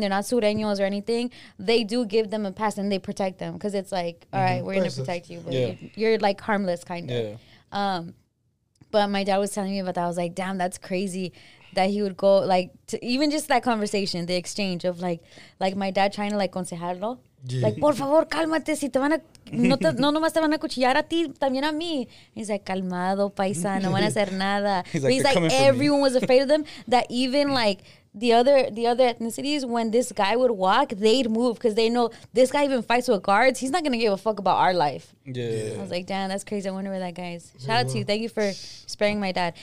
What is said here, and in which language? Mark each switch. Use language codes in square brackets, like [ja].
[en] They're not sureños or anything. They do give them a pass, and they protect them because it's like, all right, we're going to protect you, but you're, like, harmless kind of. Yeah. But my dad was telling me about that. I was like, damn, that's crazy. That he would go, like, to even just that conversation, the exchange of, like my dad trying to, like, consejarlo. Yeah. [es] Like, por favor, cálmate, si te van a, no, te, no nomás te van a cuchillar a ti, también a mí. [en] He's like, [es] calmado, paisa, no van a hacer nada. [en] He's like everyone was afraid of them. That even, like, the other ethnicities, when this guy would walk, they'd move because they know this guy even fights with guards. He's not going to give a fuck about our life. Yeah. I was like, damn, that's crazy. I wonder where that guy is. Shout out to you. Thank you for sparing my dad.